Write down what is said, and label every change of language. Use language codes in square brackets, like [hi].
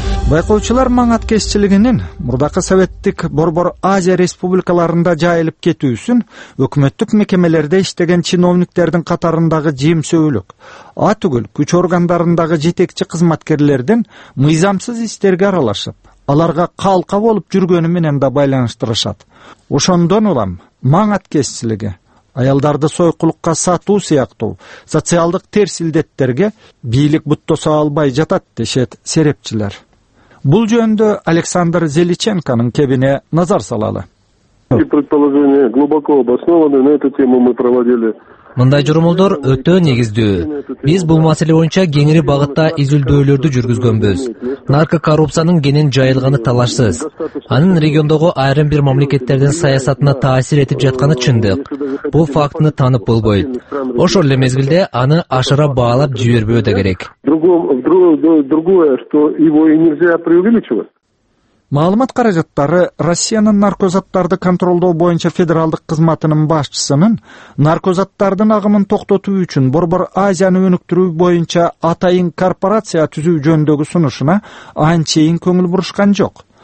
[ky] Байкоочулар маң аткезчилигинин мурдакы советтик Борбор Азия республикаларында жайылып кетүүсүн өкмөттүк мекемелерде иштеген чиновниктердин катарындагы жемсөөлүк, а түгүл күч органдарындагы жетекчи кызматкерлердин мыйзамсыз иштерге аралашып, аларга калка болуп жүргөнү менен да байланыштырышат. Ошондон улам маң аткезчилиги, аялдарды сойкулукка сатуу сыяктуу социалдык терс илдеттерге бийлик буттоса албай жатат, дешет серепчилер. Бул жөнүндө Александр Зеличенконун кебине назар салалы. [ru] Предположения глубоко обоснованы, на эту тему мы проводили. [ky] Мындай жорумолдор өтө негиздүү. Биз бул маселе боюнча кеңири багытта изилдөөлөрдү жүргүзгөнбүз. Наркокоррупциянын кенен жайылганы талашсыз. Анын региондогу айрым бир мамлекеттердин саясатына таасир этип жатканы чындык. Бул фактыны таанып болбойт. Ошол эле мезгилде аны ашыра баалап жибербөө да керек. [ru] Другое, что его нельзя преувеличивать. [ky] Маалымат каражаттары Россиянын наркозаттарды контролдоо боюнча федералдык кызматынын башчысынын наркозаттардын агымын токтотуу үчүн Борбор Азияны өнүктүрүү боюнча атайын корпорация түзүү жөнүндөгү сунушуна анчейин көңүл бурушкан жок.